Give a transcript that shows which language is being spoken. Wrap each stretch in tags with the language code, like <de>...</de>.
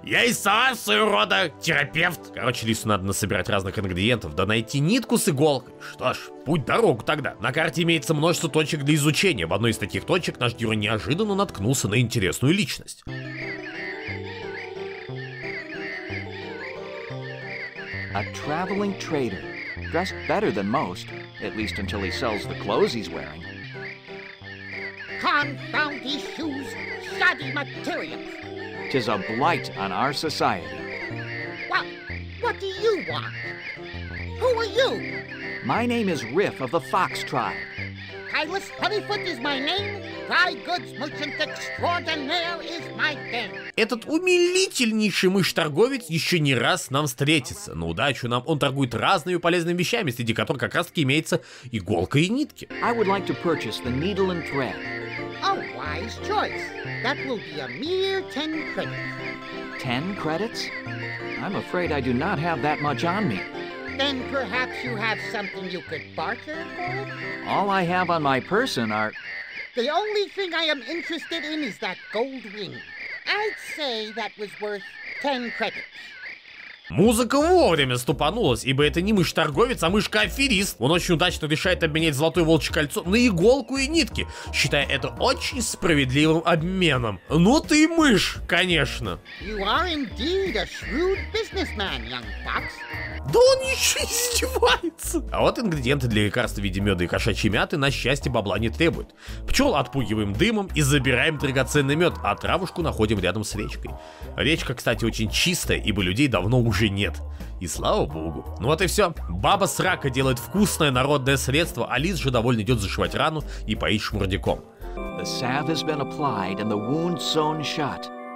<ru>Я и сама своего рода терапевт. Короче, Лису надо насобирать разных ингредиентов, да найти нитку с иголкой. Что ж, путь дорогу тогда. На карте имеется множество точек для изучения. В одной из таких точек наш герой неожиданно наткнулся на интересную личность.</ru> <en>A traveling trader, dressed better than most, at least until he sells the clothes he's wearing. Confound these shoes, shoddy materials. 'Tis a blight on our society. What do you want? Who are you? My name is Riff of the Fox Tribe. Kylas Heavyfoot is my name. Dry goods merchant extraordinaire is my name.</en> <ru>Этот умилительнейший мышь-торговец еще не раз нам встретится. На удачу нам он торгует разными полезными вещами, среди которых как раз-таки имеется иголка и нитки.</ru> <en>I would like to purchase the needle and thread. A wise choice. That will be a mere 10 credits. 10 credits? I'm afraid I do not have that much on me. Then perhaps you have something you could barter for? All I have on my person are... The only thing I am interested in is that gold ring. I'd say that was worth 10 credits.</en> <ru>Музыка вовремя ступанулась, ибо это не мышь-торговец, а мышка-аферист. Он очень удачно решает обменять золотое волчье кольцо на иголку и нитки, считая это очень справедливым обменом. Ну ты мышь, конечно.</ru> <en>You are indeed a shrewd businessman, young fox.</en> <ru>Да он еще издевается. А вот ингредиенты для лекарства в виде меда и кошачьей мяты на счастье бабла не требуют. Пчел отпугиваем дымом и забираем драгоценный мед, а травушку находим рядом с речкой. Речка, кстати, очень чистая, ибо людей давно уже нет. И слава богу. Ну вот и все. Баба срака делает вкусное народное средство, а Лиз же довольно идет зашивать рану и поить шмурдяком.</ru> <en>The salve has been applied and the wound sewn shut.</en>